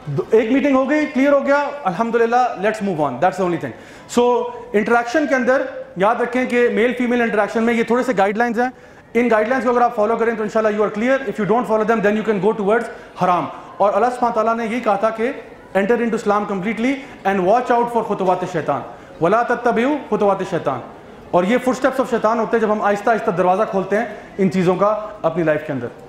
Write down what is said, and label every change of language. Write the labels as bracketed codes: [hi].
[ur] ایک میٹنگ ہو گئی، کلیئر ہو گیا، الحمدللہ، [en] Let's move on, that's only thing. [ur] So interaction کے اندر یاد رکھیں کہ میل فیمیل انٹریکشن میں یہ تھوڑے سے گائیڈ لائنز ہیں، ان گائڈ لائنس کو اگر آپ فالو کریں تو ان شاء اللہ [en] you are clear, if you don't follow them then you can go to words [ur] حرام۔ اور اللہ سبحانہ تعالیٰ نے یہی کہا تھا کہ [en] enter into Islam completely and watch out for [ur] خطوات شیطان، [ar] ولا تتبعوا خطوات الشیطان. [ur] اور یہ [en] footsteps of [ur] شیطان ہوتے ہیں جب ہم آہستہ آہستہ دروازہ کھولتے ہیں ان چیزوں کا اپنی لائف کے اندر.